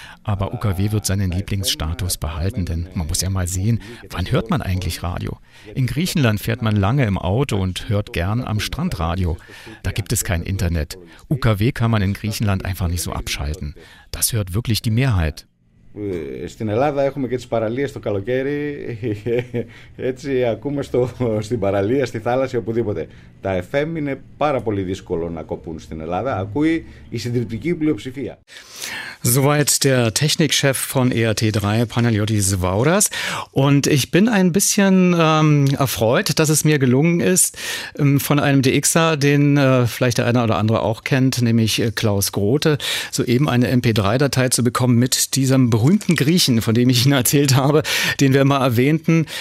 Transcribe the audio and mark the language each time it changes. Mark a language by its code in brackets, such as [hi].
[de] Aber UKW wird seinen Lieblingsstatus behalten, denn man muss ja mal sehen, wann hört man eigentlich Radio? In Griechenland fährt man lange im Auto und hört gern am Strand Radio. Da gibt es kein Internet. UKW kann man in Griechenland einfach nicht so abschalten. Das hört wirklich die Mehrheit. [el] Στην Ελλάδα έχουμε και τις παραλίες το καλοκαίρι, έτσι ακούμε στην παραλία, στη θάλασσα, οπουδήποτε. Τα FM είναι πάρα πολύ δύσκολο να κοπούν στην Ελλάδα, ακούει η συντριπτική πλειοψηφία. [de] Soweit der Technikchef von ERT3, Panagiotis Vaudas. Und ich bin ein bisschen erfreut, dass es mir gelungen ist, von einem DXer, den vielleicht der eine oder andere auch kennt, nämlich Klaus Grote, soeben eine MP3-Datei zu bekommen mit diesem berühmten Griechen, von dem ich Ihnen erzählt habe, den wir mal erwähnten.